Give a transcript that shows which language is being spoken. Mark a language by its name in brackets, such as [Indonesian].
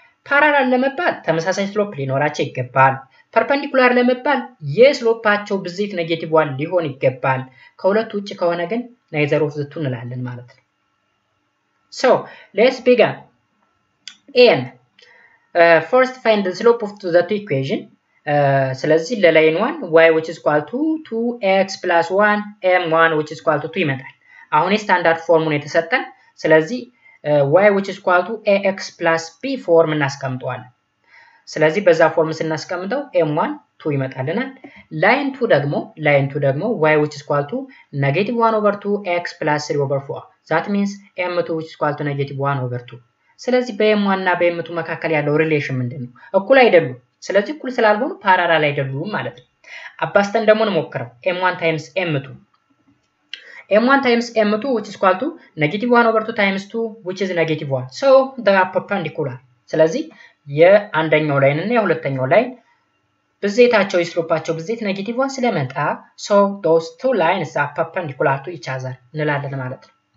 [Amharic] parallel ለመባል ተመሳሳይ ስሎፕ ሊኖራቸው ይገባል። perpendicular ለመባል የስሎፓቸው ብዜት negative 1 ሊሆን ይገባል። ከሁለቱ ውጪ ከሆነ ግን neither of the two እንላለን ማለት ነው። ሶ [English] let's begin and first find the slope of the two equation. ስለዚህ ለላይን 1 y which is equal to 2x plus 1 m1 which is equal to 2 ይመጣል። [Amharic] አሁን የስታንዳርድ ፎርሙን የተሰጠን ስለዚህ y which is equal to ax plus b ፎርም እናስቀምጣለን። ስለዚህ በዛ ፎርም ስናስቀምጠው m1 2 ይመጣልናል። [English] ላይን 2 ደግሞ y which is equal to negative 1 over 2x plus 3 over 4 that means m2 which is equal to negative 1 over 2. [Amharic] ስለዚህ በm1 እና በm2 መካከል ያለው ሪሌሽን ምንድነው? እኩል አይደሉም። ስለዚህ እኩል ስላልሆኑ parallel አይደሉም ማለት ነው። አባስተን ደግሞ እንሞክረው [English] m1 times m2 m1 times m2 which is equal to negative 1 over 2 times 2 which is negative 1 so the perpendicular. [Amharic] ስለዚህ የአንደኛው ላይን እና የሁለተኛው ላይን ብዜታቸው የስሎፓቸው ብዜት negative 1 ስለመጣ [English] so those two lines are perpendicular to each other [Amharic] እንላለን ማለት ነው።